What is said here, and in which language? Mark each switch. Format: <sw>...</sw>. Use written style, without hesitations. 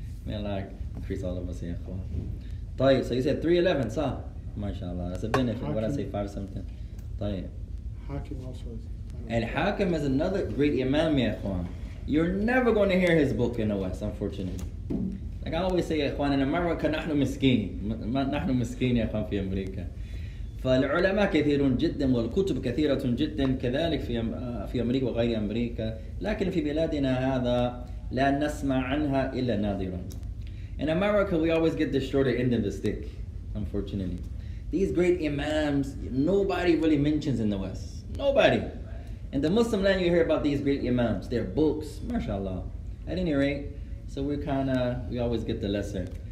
<en>May Allah increase all of us, ya ikhwan. Tayyip, so you said 311, sah? MashaAllah. That's a benefit. Hakim, what I say, 5 something. Tayyip. Hakim also is. And Hakim is another great Imam, ya ikhwan. You're never going to hear his book in the West, unfortunately. Like I always say, ikhwan, in America,</en> <ar>نحن مسكين. نحن مسكين يا إخوان في أمريكا. فالعلماء كثيرون جدا والكتب كثيرة جدا كذلك في أمريكا وغير أمريكا. لكن في بلادنا هذا لا نسمع عنها إلا نادرا.</ar> <en>In America, we always get the shorter end of the stick, unfortunately. These great imams, nobody really mentions in the West. Nobody. In the Muslim land, you hear about these great imams, their books, mashallah. At any rate, so we always get the lesser.</en>